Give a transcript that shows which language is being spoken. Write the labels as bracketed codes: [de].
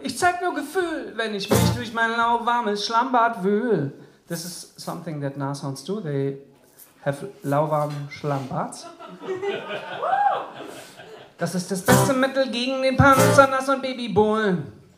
[de] Ich zeig nur Gefühl, wenn ich mich durch mein lauwarmes Schlammbad wühl. [en] This is something that Nashorns do. They have [de] lauwarm Schlammbads. Das ist das beste Mittel gegen den Panzernashorn Babybullen.